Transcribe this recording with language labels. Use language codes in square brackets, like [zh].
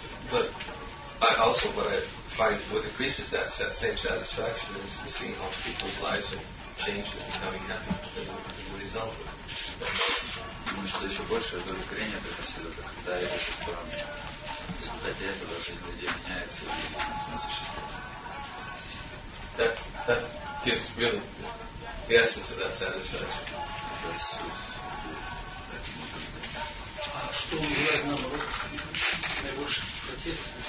[en] But I also what I find what increases that same satisfaction is seeing how people's lives have changed and becoming happy as a result of it. [ru] Думаю, что еще больше удовлетворения приносит это, когда я вижу сторону. В результате этого жизнь людей меняется и смысл существования. [en] That gives really the essence of that satisfaction. [ru] А что вызывает наоборот наибольший протест,